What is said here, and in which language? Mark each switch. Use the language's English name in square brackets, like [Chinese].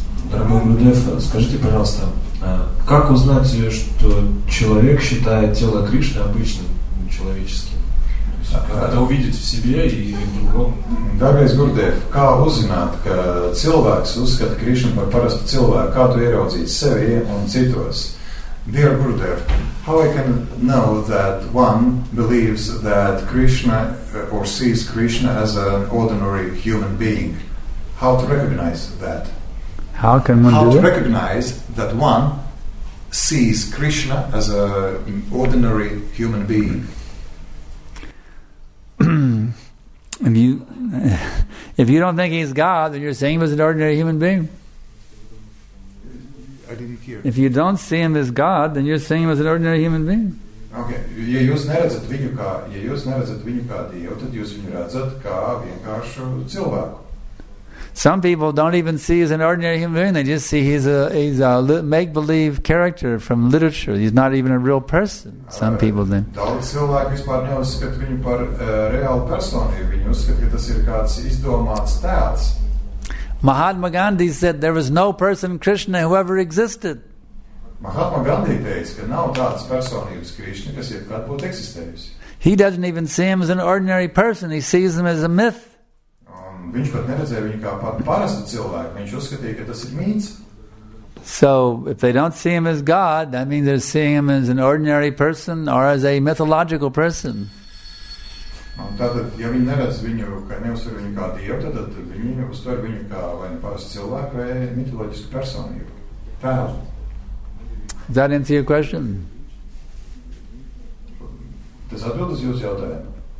[Russian] Дорогой Гурудев, скажите, пожалуйста, как узнать, что человек считает тело Кришны обычным, человеческим? Это увидеть в себе и в другом. Дорогой Гурудев, как узнать, что человек считает Кришну как просто человека? Как ты ирозить себе и цитрус? [English] Dear Gurudev, how I can know that one believes that Krishna or sees Krishna as an ordinary human being? How to recognize that? How can one How to recognize that one sees Krishna as an ordinary human being? If you don't think he's God, then you're saying he was an ordinary human being. I didn't hear. If you don't see him as God, then you're seeing him as an ordinary human being. Okay. [Latvian] Ja jūs neredzat viņu kā, ja jūs neredzat viņu kā Dievu, tad jūs viņu redzat kā vienkāršu cilvēku. [English] Some people don't even see as an ordinary human being. They just see he's a make-believe character from literature. He's not even a real person. Some people then. [Latvian] Daudz cilvēku vispār neuzskata viņu par reālu personu. Viņi uzskata, ka tas ir kāds izdomāts tēls. [English] Mahatma Gandhi said there was no person Krishna who ever existed. [Latvian] Mahatma Gandhi teica, ka nav tāds personības Krishna, kas jebkad būtu eksistējusi. [English] He doesn't even see him as an ordinary person, he sees him as a myth. [Latvian] Viņš pat neredzēja viņu kā parastu cilvēku, viņš uzskatīja, ka tas ir mīts. [English] So, if they don't see him as God, that means they're seeing him as an ordinary person or as a mythological person. [Latvian] Tātad, ja viņi neredz viņu, ka neuzver viņu kā Dievu, tad viņi uztver viņu kā vai neparastu cilvēku vai mitoloģisku personību. Tēlu. [English] Does that answer your question? [Latvian] Tas atbild uz jūsu jautājumu.